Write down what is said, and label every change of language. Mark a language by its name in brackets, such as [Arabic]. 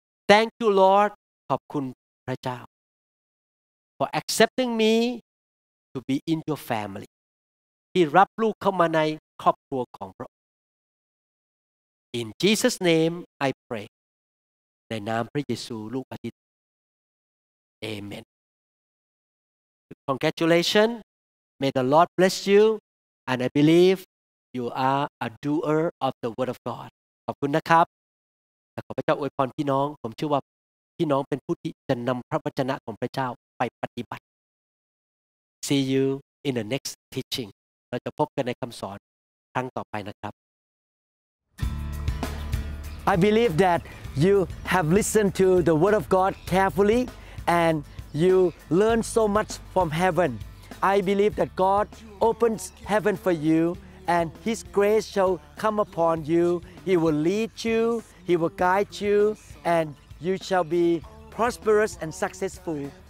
[English] Thank you Lord [Thai] ขอบคุณพระเจ้า [English] for accepting me to be in your family [Thai] ที่รับลูกเข้ามาในครอบครัวของพระองค์ [English] In Jesus name I pray [Thai] ในนามพระเยซูลูกอธิษฐาน [English] Amen ขอบ Congratulations. May the Lord bless you. And I believe you are a doer of the word of God. [Thai] ขอบคุณนะครับขอพระเจ้าอวยพรพี่น้องผมเชื่อว่าพี่น้องเป็นผู้ที่จะนำพระวจนะของพระเจ้าไปปฏิบัติ [English] See you in the next teaching. [Thai] เราจะพบกันในคำสอนครั้งต่อไปนะครับ [English] I believe that you have listened to the word of God carefully and you learned so much from heaven. I believe that God opens heaven for you and His grace shall come upon you. He will lead you, He will guide you, and you shall be prosperous and successful.